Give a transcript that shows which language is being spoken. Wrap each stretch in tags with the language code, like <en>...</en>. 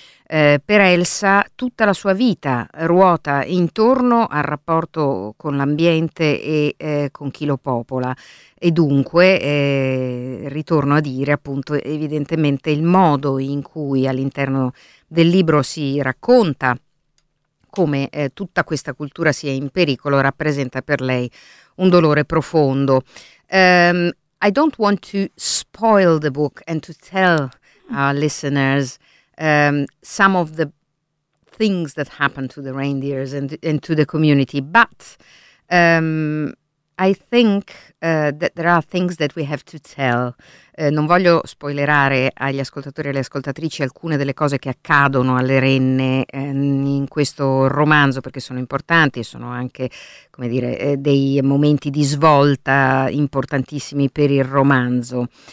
<it>Per Elsa tutta la sua vita ruota intorno al rapporto con l'ambiente e con chi lo popola e dunque, ritorno a dire appunto evidentemente il modo in cui all'interno del libro si racconta come tutta questa cultura sia in pericolo rappresenta per lei un dolore profondo.</it> <en>I don't want to spoil the book and to tell our listeners some of the things that happened to the reindeers and to the community, but I think that there are things that we have to tell.</en> <it>Non voglio spoilerare agli ascoltatori e alle ascoltatrici alcune delle cose che accadono alle renne in questo romanzo, perché sono importanti e sono anche, come dire, dei momenti di svolta importantissimi per il romanzo.</it>